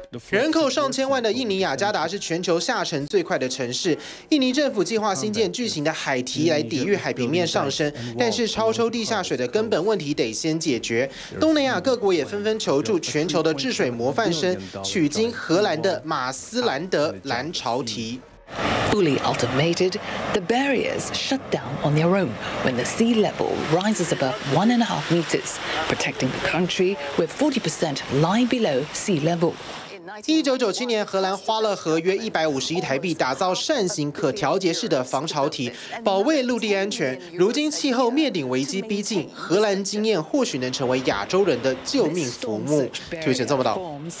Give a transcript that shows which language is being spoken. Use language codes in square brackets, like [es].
[zh] 人口上千万的印尼雅加达是全球下沉最快的城市。印尼政府计划新建巨型的海堤来抵御海平面上升，但是超抽地下水的根本问题得先解决。东南亚各国也纷纷求助全球的治水模范生，取经荷兰的马斯兰德蓝潮堤。 [en] Fully automated, the barriers shut down on their own when the sea level rises above 1.5 meters, protecting the country with 40% lying below sea level. [zh] 1997年，荷兰花了合约150亿台币打造扇形可调节式的防潮堤，保卫陆地安全。如今气候灭顶危机逼近，荷兰经验或许能成为亚洲人的救命浮木。推荐这么多。